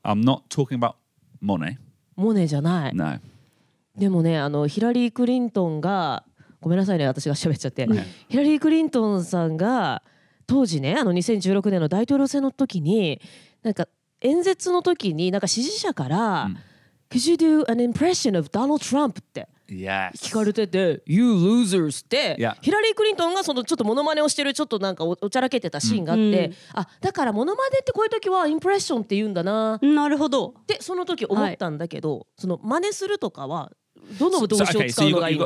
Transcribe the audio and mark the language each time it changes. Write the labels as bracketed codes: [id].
[en] I'm not talking about Monet. [ja] Monet じゃない。 [en] No. [ja] でもね、あのヒラリー・クリントンが、ごめんなさいね、私が喋っちゃって、okay. ヒラリー・クリントンさんが当時ね、あの2016年の大統領選の時に、なんか演説の時に、なんか支持者から、mm. [en] Could you do an impression of Donald Trump? [ja] って聞かれてて、 [en] yes. You losers! って、 yeah. [ja] ヒラリー・クリントンがそのちょっとモノマネをしてる、ちょっとなんか おちゃらけてたシーンがあって、mm. あ、だからモノマネってこういう時はインプレッションって言うんだな、なるほどってその時思ったんだけど、はい、その真似するとかはどの動詞を使うのがいいの？